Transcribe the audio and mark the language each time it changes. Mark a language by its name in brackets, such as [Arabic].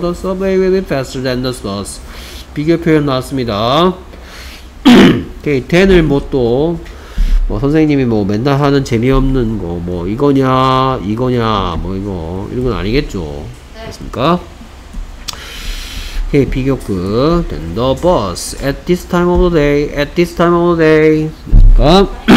[English] The subway will be faster than the bus. [Korean] 비교 표현 나왔습니다. 오케이. then을 뭐 또 뭐 선생님이 뭐 맨날 하는 재미없는 거 뭐 이거냐 뭐 이거 이런 건 아니겠죠. 됐습니까? 오케이. [English] 비교급 then the bus at this time of the day at this time of the day 됐습니까?